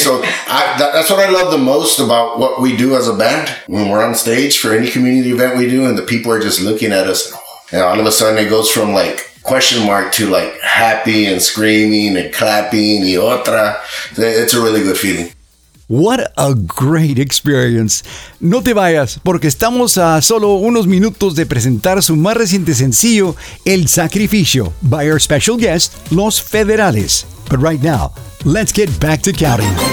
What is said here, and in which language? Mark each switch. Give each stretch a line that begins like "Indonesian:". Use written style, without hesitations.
English: So that's what I love the most about what we do as a band. When we're on stage for any community event we do and the people are just looking at us, and all of a sudden it goes from like question mark to like happy and screaming and clapping
Spanish: y otra.
English: It's a really good feeling. What a great experience.
Spanish: No te vayas, porque estamos a solo unos minutos de presentar su más reciente sencillo, El Sacrificio,
English: by our special guest,
Spanish: Los Federales.
English: But right now, let's get back to counting.